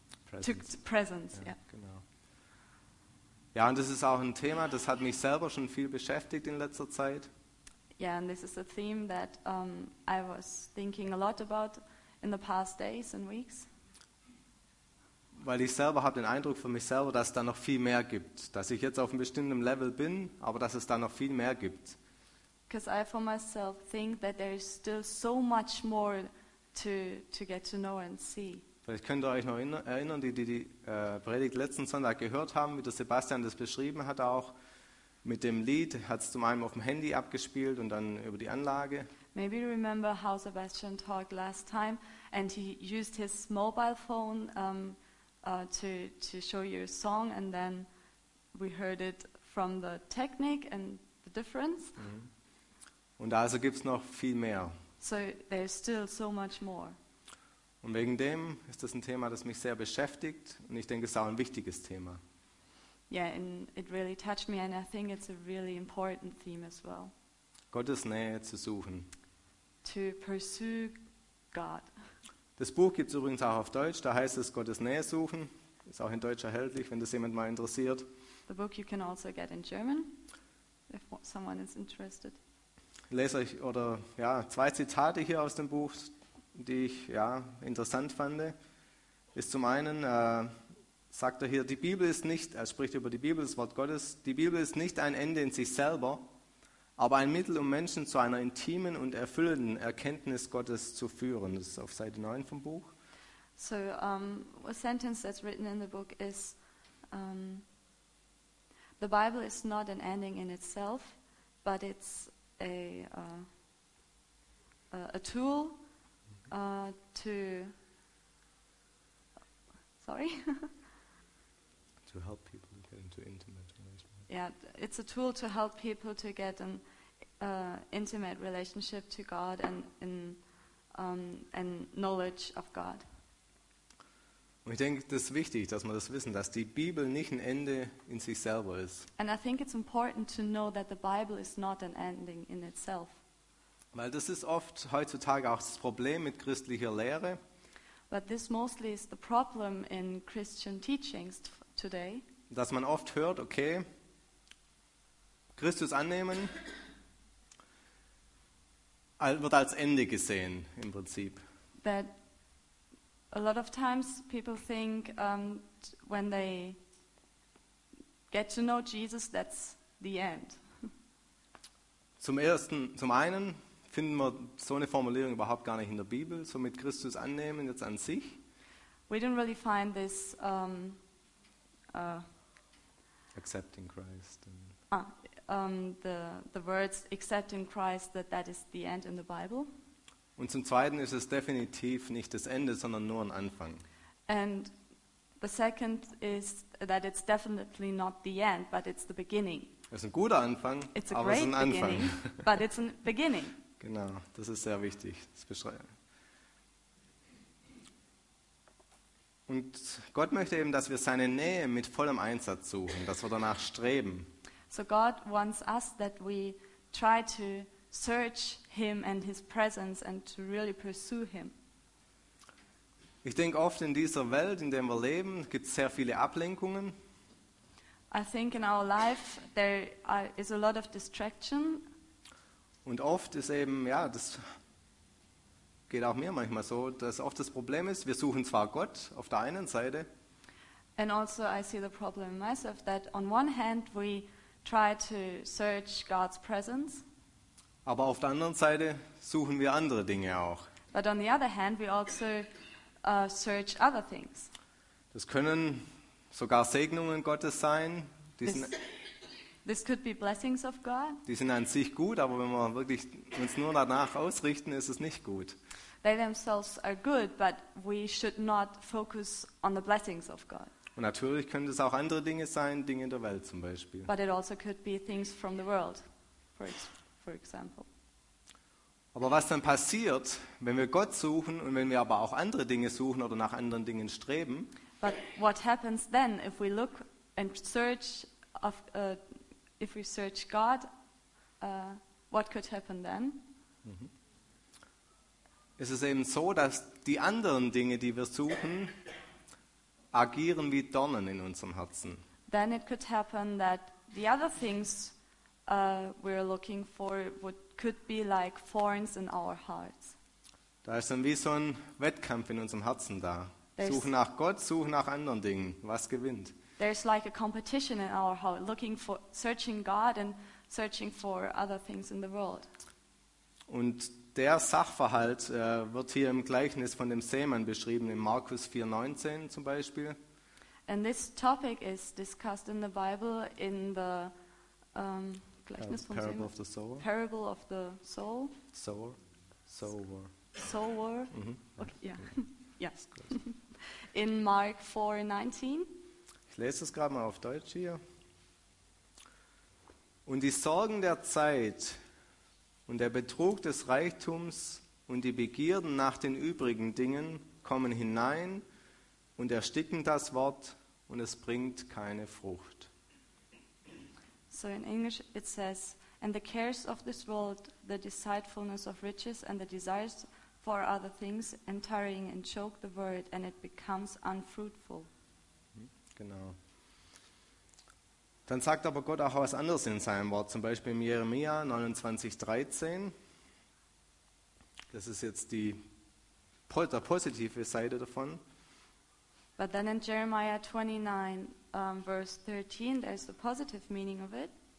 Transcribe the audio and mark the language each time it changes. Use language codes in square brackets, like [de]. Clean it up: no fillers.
[en] Presence. Presence, [de] Ja, genau. Ja, und das ist auch ein Thema, das hat mich selber schon viel beschäftigt in letzter Zeit. [en] Yeah, and this is a theme that I was thinking a lot about in the past days and weeks. [de] Weil ich selber habe den Eindruck für mich selber, dass es da noch viel mehr gibt. Dass ich jetzt auf einem bestimmten Level bin, aber dass es da noch viel mehr gibt. [en] Because I for myself think that there is still so much more to get to know and see. [de] Vielleicht könnt ihr euch noch erinnern, die Predigt letzten Sonntag gehört haben, wie der Sebastian das beschrieben hat, auch mit dem Lied, hat es zum einen auf dem Handy abgespielt und dann über die Anlage. [en] Maybe you remember how Sebastian talked last time and he used his mobile phone to show you a song, and then we heard it from the technic and the difference. Mm-hmm. [de] Und also gibt's noch viel mehr. [en] So there's still so much more. [de] Und wegen dem ist das ein Thema, das mich sehr beschäftigt, und ich denke, es ist auch ein wichtiges Thema. [en] Yeah, and it really touched me, and I think it's a really important theme as well. [de] Gottes Nähe zu suchen. [en] To pursue God. [de] Das Buch gibt's übrigens auch auf Deutsch. Da heißt es Gottes Nähe suchen. Ist auch in Deutsch erhältlich, wenn das jemand mal interessiert. [en] The book you can also get in German, if someone is interested. [de] Lese ich oder ja zwei Zitate hier aus dem Buch, die ich ja interessant fand. Ist zum einen sagt er hier, die Bibel ist nicht, er spricht über die Bibel, das Wort Gottes, die Bibel ist nicht ein Ende in sich selber, aber ein Mittel, um Menschen zu einer intimen und erfüllenden Erkenntnis Gottes zu führen. Das ist auf Seite 9 vom Buch. [en] So, a sentence that's written in the book is, the Bible is not an ending in itself, but it's a tool to, sorry, to help people get into intimate relationship. Yeah, it's a tool to help people to get an intimate relationship to God and in and knowledge of God. [de] Und ich denke, das ist wichtig, dass man das wissen, dass die Bibel nicht ein Ende in sich selber ist. [en] And I think it's important to know that the Bible is not an ending in itself. [de] Weil das ist oft heutzutage auch das Problem mit christlicher Lehre. [en] But this mostly is the problem in Christian teachings today. [de] Dass man oft hört, okay, Christus annehmen wird als Ende gesehen im Prinzip. [en] That a lot of times people think when they get to know Jesus, that's the end. [de] Zum einen finden wir so eine Formulierung überhaupt gar nicht in der Bibel, so mit Christus annehmen jetzt an sich. [en] We don't really find this accepting Christ. The words accepting Christ, that is the end in the Bible. [de] Und zum Zweiten ist es definitiv nicht das Ende, sondern nur ein Anfang. [en] And the second is that it's definitely not the end, but it's the beginning. [de] Es ist ein guter Anfang, [en] it's [de] aber es ist ein Anfang. [en] But it's a beginning. [de] Genau, das ist sehr wichtig. Und Gott möchte eben, dass wir seine Nähe mit vollem Einsatz suchen, dass wir danach streben. [en] So God wants us that we try to search him and his presence and to really pursue him. [de] Ich denke oft in dieser Welt, in der wir leben, gibt es sehr viele Ablenkungen. [en] I think in our life there is a lot of distraction. [de] Und oft ist eben, ja, das geht auch mir manchmal so, dass oft das Problem ist, wir suchen zwar Gott auf der einen Seite. [en] And also I see the problem myself that on one hand we try to search God's presence. [de] Aber auf der anderen Seite suchen wir andere Dinge auch. [en] But on the other hand, we also search other things. [de] Das können sogar Segnungen Gottes sein. [en] This could be blessings of God. [de] Die sind an sich gut, aber wenn wir wirklich uns nur danach ausrichten, ist es nicht gut. [en] They themselves are good, but we should not focus on the blessings of God. [de] Und natürlich können es auch andere Dinge sein, Dinge in der Welt zum Beispiel. [en] But it also could be things from the world, for example. [de] Aber was dann passiert, wenn wir Gott suchen und wenn wir aber auch andere Dinge suchen oder nach anderen Dingen streben? [en] But what happens then if we look and search of if we search God, what could happen then? [de] Es ist eben so, dass die anderen Dinge, die wir suchen, agieren wie Dornen in unserem Herzen. [en] Then it could happen that the other things we're looking for would could be like thorns in our hearts. [de] Da ist dann wie so ein Wettkampf in unserem Herzen da. Suchen nach Gott, suchen nach anderen Dingen. Was gewinnt? [en] There's like a competition in our heart, looking for, searching God and searching for other things in the world. [de] Und der Sachverhalt wird hier im Gleichnis von dem Sämann beschrieben, in Markus 4,19 zum Beispiel. [en] And this topic is discussed in the Bible in the [de] Gleichnis vom Sämann. [en] Parable of the Sower. Sower. sower. Mm-hmm. Okay, yeah. Yes. In Mark 4:19. [de] Ich lese es gerade mal auf Deutsch hier. Und die Sorgen der Zeit und der Betrug des Reichtums und die Begierden nach den übrigen Dingen kommen hinein und ersticken das Wort und es bringt keine Frucht. [en] So in English it says, and the cares of this world, the deceitfulness of riches and the desires for other things and tarrying and choke the word and it becomes unfruitful. [de] Genau. Dann sagt aber Gott auch was anderes in seinem Wort, zum Beispiel in Jeremia 29,13. Das ist jetzt die positive Seite davon. [en] But then in Jeremiah 29:13, there is the positive meaning of it.